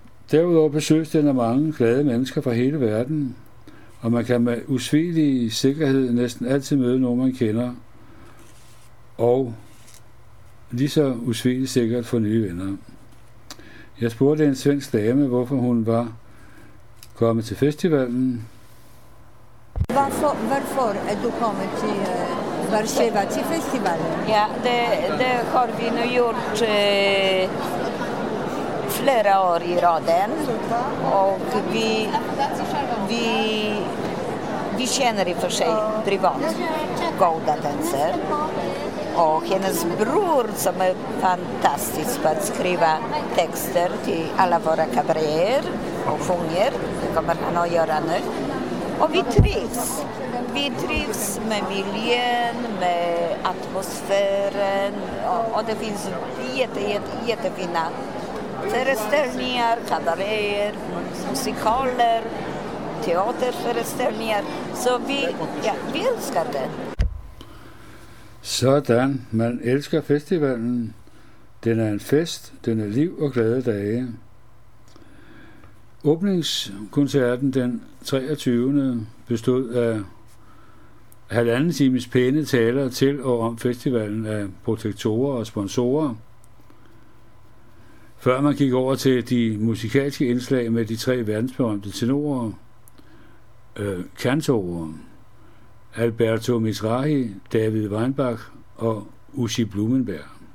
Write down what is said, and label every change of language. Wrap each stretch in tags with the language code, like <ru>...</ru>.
<da>Derudover besøges den af mange glade mennesker fra hele verden, og man kan med usvigelig sikkerhed næsten altid møde nogen, man kender, og lige så usvigelig sikkert få nye venner. Jeg spurgte en svensk dame, hvorfor hun var kommet til festivalen. Hvorfor er du kommet til Warszawa til festivalen?</da> <sv>Ja, det har vi nu gjort flera år i raden, och vi känner i för sig privat Golda Tenzer och hennes bror som är fantastisk på att skriva texter till alla våra kabaréer och sjunger, det kommer han att göra nu, och vi trivs med miljön, med atmosfären, och det finns jättefina föreställningar, kabaréer, musikaler, teaterföreställningar. Så vi älskar det.</sv> <da>Sådan, man älskar festivalen. Den är en fest, den är liv och glada dage. Åbningskoncerten den 23. bestod af halvanden times pæne taler til og om festivalen af protektorer og sponsorer. Før man gik over til de musikalske indslag med de tre verdensberømte tenorer, kantoren Alberto Mizrahi, David Weinbach og Uschi Blumenberg.</da>